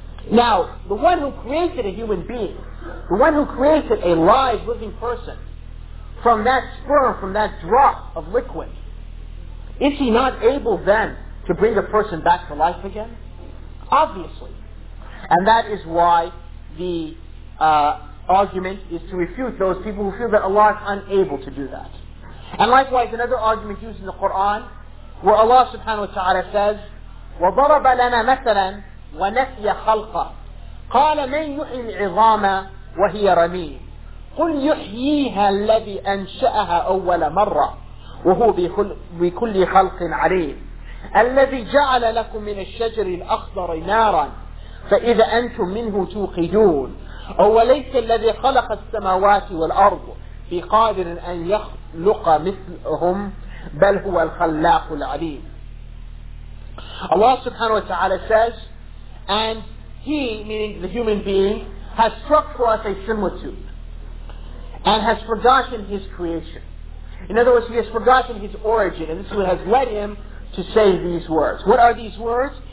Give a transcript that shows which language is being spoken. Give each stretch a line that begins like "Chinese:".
English: Now, the one who created a human being, the one who created a live, living person from that sperm, from that drop of liquid, is he not able then to bring a person back to life again? Obviously. And that is why the argument is to refute those people who feel that Allah is unable to do that. And likewise, another argument used in the Quran, where Allah subhanahu wa ta'ala says,
Arabic: وَضَرَبَ لَنَا مَثَلًا وَنَفْيَ خَلْقًا قَالَ مَنْ يُحْيِي الْعِظَامَ وَهِيَ رَمِيمٌ قُلْ يُحْيِيهَا الَّذِي أَنْشَأَهَا أَوَّلَ مَرَّةٌ وهو بكل خلق عليم الذي جعل لكم من الشجر الأخضر نارا فإذا أنتم منه توقدون أوليس الذي خلق السماوات والأرض بقادر أن يخلق مثلهم بل هو الخلاق العليم.
English: Allah subhanahu wa ta'ala says, and he, meaning the human being, has struck for us a similitude and has forgotten his creation. In other words, he has forgotten his origin, and this is what has led him to say these words. What are these words?